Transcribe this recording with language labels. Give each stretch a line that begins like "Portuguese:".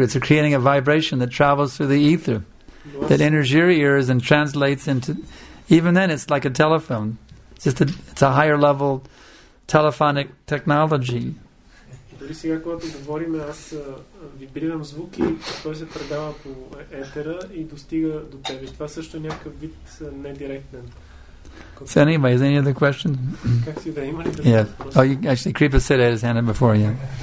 English: It's creating a vibration that travels through the ether, that enters your ears and translates into... Even then, it's like a telephone. It's a higher level telephonic technology.
Bulgarian: Дори сега, когато говорим, аз вибрирам звук и той се предава по етера и достига до тебе. Това също е някакъв вид недиректен.
English: So anyway, is there any other question? Yeah. Oh, actually, Kripa said it, his hand before, yeah.